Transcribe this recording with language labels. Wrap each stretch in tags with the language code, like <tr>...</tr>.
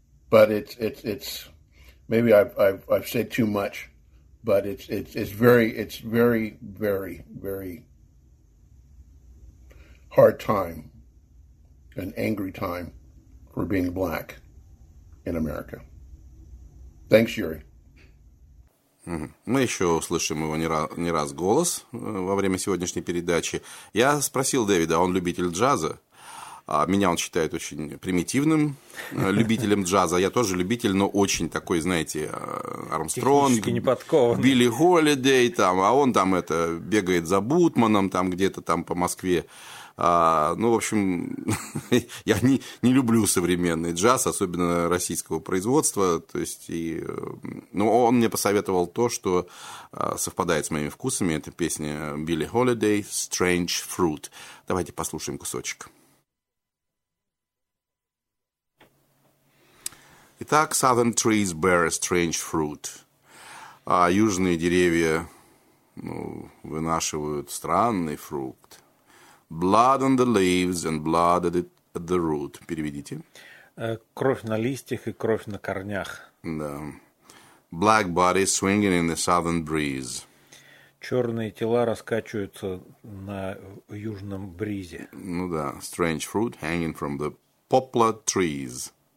<en>But it's maybe I've said too much, but it's very, very, very hard time, an angry time for being black in America. Thanks, Yuri.</en> <ru>Мы еще услышим его не раз голос во время сегодняшней передачи. Я спросил Дэвида, он любитель джаза. Меня он считает очень примитивным любителем джаза. Я тоже любитель, но очень такой, знаете, Армстронг, Билли Холидей, там, а он там это бегает за Бутманом там, где-то там по Москве. Ну, в общем, я не люблю современный джаз, особенно российского производства. То есть, ну, он мне посоветовал то, что совпадает с моими вкусами. Это песня Билли Холидей «Strange Fruit». Давайте послушаем кусочек. Итак,</ru> <en>«Southern trees bear a strange fruit».</en> <ru>Южные деревья, ну, вынашивают странный фрукт.</ru> <en>Blood on the leaves and blood at the root.</en> <ru>Переведите. Кровь на листьях и кровь на корнях. Да.</ru> <en>Black bodies swinging in the southern breeze.</en> <ru>Черные тела раскачиваются на южном бризе. Ну да.</ru> <en>Strange fruit hanging from the poplar trees.</en>